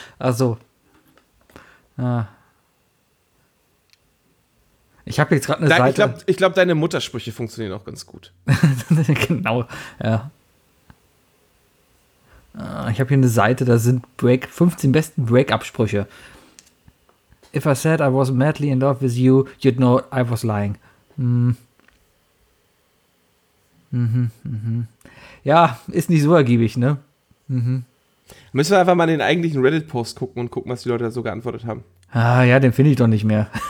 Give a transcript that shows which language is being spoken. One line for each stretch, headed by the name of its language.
German: Ach so. Ah. Ich habe jetzt gerade eine Seite. Ich glaube, deine Muttersprüche funktionieren auch ganz gut. Genau, ja. Ich habe hier eine Seite, da sind 15 besten Break-Up-Sprüche.
English: If I said I was madly in love with you, you'd know I was lying.
German: Ja, ist nicht so ergiebig, ne? Müssen wir einfach mal den eigentlichen Reddit-Post gucken und gucken, was die Leute da so geantwortet haben. Ah ja, den finde ich doch nicht mehr.